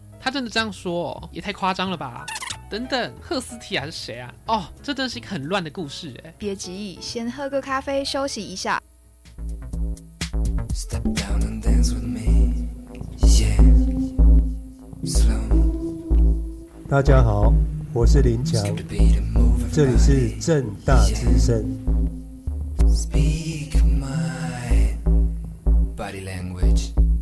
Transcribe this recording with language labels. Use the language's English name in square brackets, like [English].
[Chinese] 真的这样说、哦、也太夸张了吧。等等，赫斯提亚是谁啊？哦，这真是一个很乱的故事耶。别急，先喝个咖啡休息一下。 [English] Step down and dance with me. Yeah. Slow. [Chinese] 大家好，我是林强，这里是政大之声。 [English] Yeah. Speak my body language.